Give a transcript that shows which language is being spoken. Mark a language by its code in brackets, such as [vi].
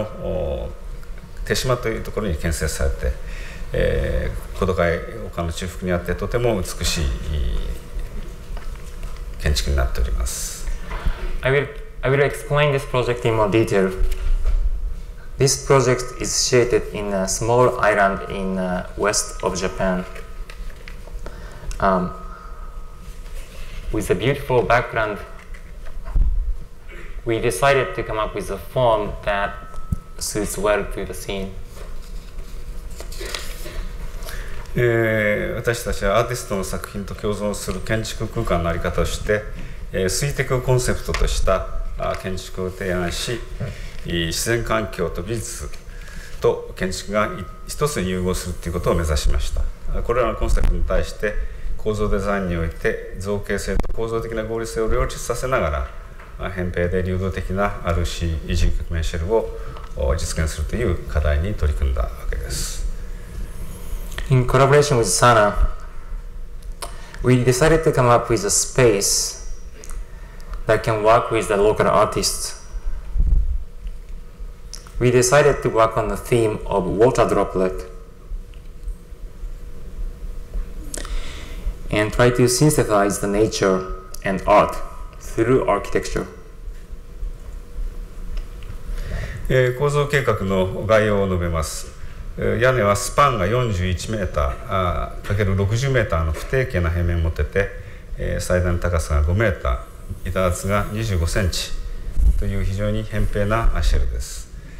[ja] これについては詳細にお話をしたいと思います。小さな美術館、瀬戸内海の手島というところに建設されて、 古都会丘の中腹にあってとても美しい建築になっております。 [en] I will explain this project in more detail. This project is situated in a small island in the west of Japan, with a beautiful background. We decided to come up with a form that suits well to the scene. [ja] 私たちはアーティストの作品と共存する建築空間のあり方として、水滴をコンセプトとした建築を提案し、自然環境と美術と建築が一つに融合するということを目指しました。これらのコンセプトに対して構造デザインにおいて造形性と構造的な合理性を両立させながら、扁平で流動的なRC軸面シェルを実現するという課題に取り組んだわけです。 [en] In collaboration with SANAA, we decided to come up with a space that can work with the local artists. We decided to work on the theme of water droplet and try to synthesize the nature and art through architecture. [ja] 構造計画の概要を述べます。屋根はスパンが41メーター ×60 メーターの不定形な平面を持ってて、最大の高さが5メーター、板厚が25センチという非常に扁平なシェルです。